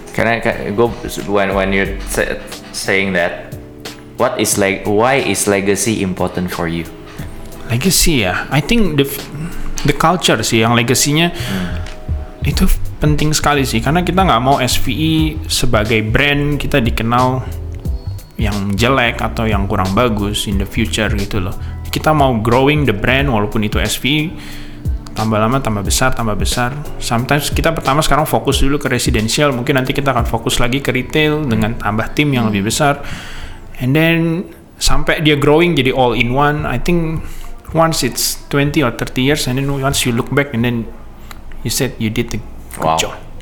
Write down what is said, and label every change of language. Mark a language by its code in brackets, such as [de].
[id] Karena [en] when you're saying that, what is like, why is legacy important for you? [id] Legacy ya, [en] I think the culture [id] sih yang legacy-nya itu penting sekali sih, karena kita nggak mau SVE sebagai brand kita dikenal yang jelek atau yang kurang bagus [en] in the future [id] gitu loh. Kita mau [en] growing the brand [id] walaupun itu SV tambah lama tambah besar. [en] Sometimes [id] kita pertama sekarang fokus dulu ke residential, mungkin nanti kita akan fokus lagi ke retail dengan tambah tim yang lebih besar. [en] And then [id] sampai dia [en] growing [id] jadi [en] all in one, I think once it's 20 or 30 years and then once you look back and then you said you did a good job.